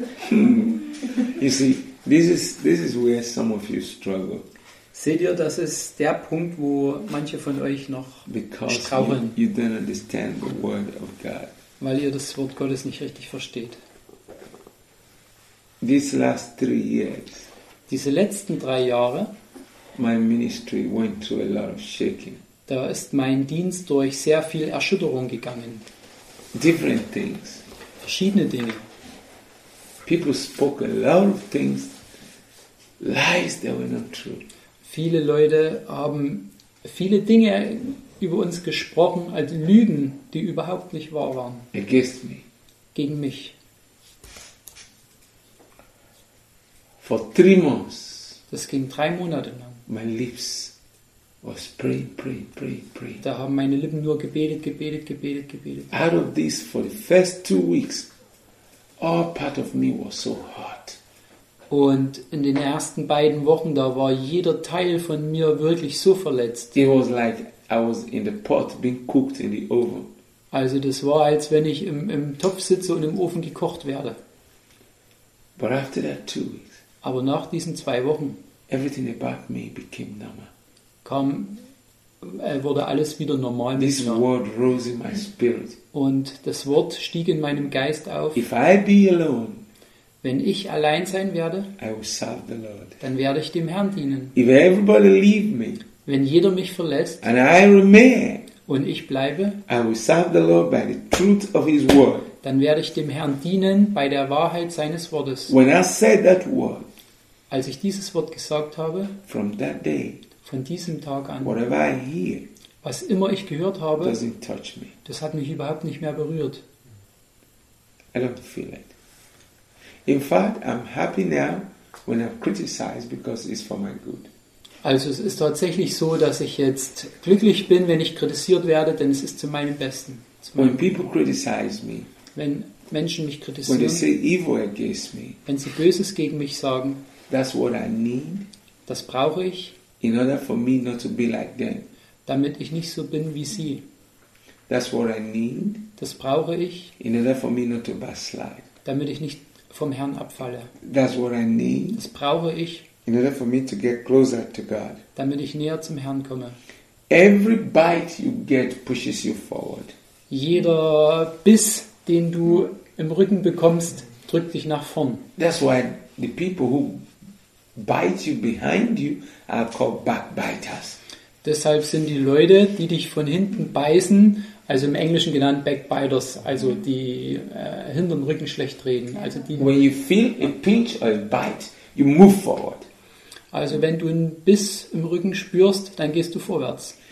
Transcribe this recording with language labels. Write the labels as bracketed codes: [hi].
[en] You see, this is where some of you struggle. [de] Seht ihr, das ist der Punkt, wo manche von euch noch straucheln. [en] You don't understand the word of God. [de] Weil ihr das Wort Gottes nicht richtig versteht. [en] These last 3 years. [de] Diese letzten 3 Jahre. [en] My ministry went through a lot of shaking. [de] Da ist mein Dienst durch sehr viel Erschütterung gegangen. [en] Different things. [de] Verschiedene Dinge. [en] People spoke a lot of things, lies that were not true. [de] Viele Leute haben viele Dinge über uns gesprochen, als Lügen, die überhaupt nicht wahr waren. [en] Against me. [de] Gegen mich. [en] For 3 months. [de] Das ging 3 Monate lang. [en] My lips was praying. [de] Da haben meine Lippen nur gebetet. [en] Out of this, for the first 2 weeks, all part of me was so hot. [de] Und in den ersten 2 Wochen, da war jeder Teil von mir wirklich so verletzt. [en] It was like I was in the pot being cooked in the oven. [de] Also das war, als wenn ich im Topf sitze und im Ofen gekocht werde. [en] But after that 2 weeks. [de] Aber nach diesen 2 Wochen. [en] Everything about me became normal. [de] Wurde alles wieder normal. [en] This word rose in my spirit. [de] Und das Wort stieg in meinem Geist auf. [en] If I be alone, [de] Wenn ich allein sein werde, [en] I will serve the Lord. [de] Dann werde ich dem Herrn dienen. [en] If everybody leave me, [de] wenn jeder mich verlässt, [en] and I remain, [de] und ich bleibe, [en] I will serve the Lord by the truth of His word. [de] Dann werde ich dem Herrn dienen bei der Wahrheit seines Wortes. [en] When I said that word, [de] als ich dieses Wort gesagt habe, [en] from that day, [de] von diesem Tag an, [en] whatever I hear, [de] was immer ich gehört habe, [en] doesn't touch me. [de] Das hat mich überhaupt nicht mehr berührt. [en] I don't feel it. In fact, I'm happy now when I'm criticized because it's for my good. [de] Also es ist tatsächlich so, dass ich jetzt glücklich bin, wenn ich kritisiert werde, denn es ist zu meinem Besten. [en] When people criticize me, [de] wenn Menschen mich kritisieren, [en] when they say evil against me, [de] wenn sie Böses gegen mich sagen, [en] that's what I need, [de] das brauche ich, [en] in order for me not to be like them, [de] damit ich nicht so bin wie sie. [en] That's what I need, [de] das brauche ich, [en] in order for me not to backslide, [de] damit ich nicht vom Herrn abfalle. [en] That's what I need, [de] das brauche ich, [en] in order for me to get closer to God, [de] damit ich näher zum Herrn komme. [en] Every bite you get pushes you forward. [de] Jeder Biss, den du im Rücken bekommst, drückt dich nach vorn. [en] That's why the people who bite you behind you are called backbiters. [de] Deshalb sind die Leute, die dich von hinten beißen, also im Englischen genannt backbiters, also die hinterm Rücken schlecht reden, also die. [en] When you feel a pinch or a bite, you move forward. [de] Also wenn du einen Biss im Rücken spürst, dann gehst du vorwärts.